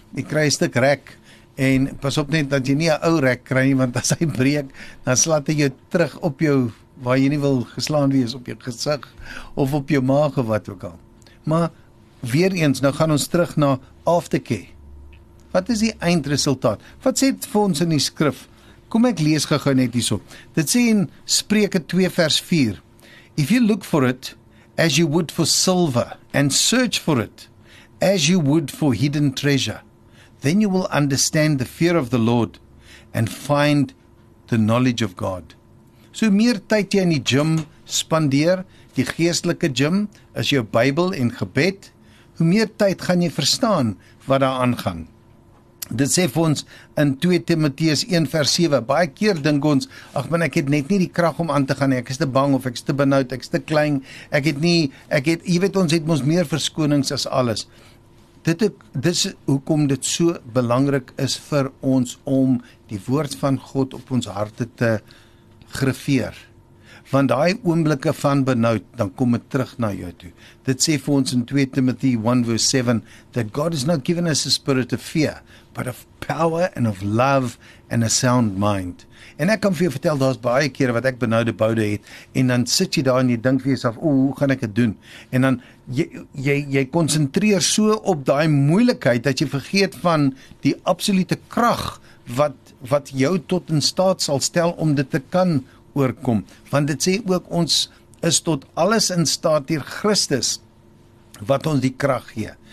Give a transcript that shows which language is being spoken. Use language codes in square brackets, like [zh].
[af] Jy kry 'n stuk rek, en pas op net dat jy nie 'n ou rek kry nie, want as hy breek, dan slaat hy jou terug op jou, waar jy nie wil geslaan wees, op jou gesig, of op jou maag, of wat ook al. Maar, weer eens, nou gaan ons terug na aftercare. Wat is die eindresultaat? Wat sê dit vir ons in die skrif? Kom ek lees gou net hierso. Dit sê in Spreuke 2 vers 4. [en] If you look for it as you would for silver and search for it as you would for hidden treasure, then you will understand the fear of the Lord and find the knowledge of God. [af] So meer tyd jy in die gym spandeer, die geestelike gym, is jou Bybel en gebed, hoe meer tyd gaan jy verstaan wat daar aangaan. Dit sê vir ons in 2 Timoteus 1 vers 7, baie keer dink ons, ag man, ek het net nie die krag om aan te gaan, ek is te bang of ek is te benoud, ek is te klein, jy weet ons het ons meer verskonings as alles. Dit is hoekom dit so belangrik is vir ons om die woord van God op ons harte te grafeer. Want daai oomblikke van benoud, dan kom het terug na jou toe. Dit sê vir ons in [en] 2 Timothy 1 verse 7, that God has not given us a spirit of fear, but of power and of love and a sound mind. [af] En ek kan vir jou vertel, daar is baie kere wat ek benoude boude het, en dan sit jy daar en jy dink vir jouself, hoe gaan ek het doen? En dan, jy concentreer so op daai moeilikheid, dat jy vergeet van die absolute krag, wat jou tot in staat sal stel om dit te kan oorkom, want dit sê ook ons is tot alles in staat deur Christus wat ons die krag gee.